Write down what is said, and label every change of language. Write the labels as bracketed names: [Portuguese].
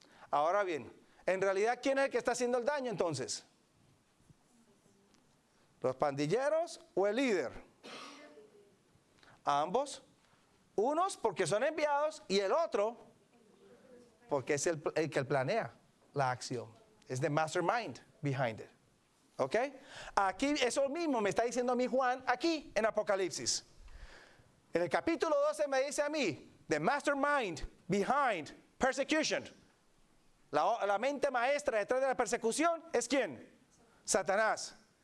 [Spanish] Ahora bien, en realidad, ¿quién es el que está haciendo el daño entonces? ¿Los pandilleros o el líder? Ambos. Unos porque son enviados y el otro porque es el que planea la acción. Es [English] the mastermind behind it. [Spanish] ¿Ok? Aquí eso mismo me está diciendo a mí Juan aquí en Apocalipsis. En el capítulo 12 me dice a mí, [English] the mastermind behind persecution. [Spanish] La mente maestra detrás de la persecución es ¿quién? Satanás.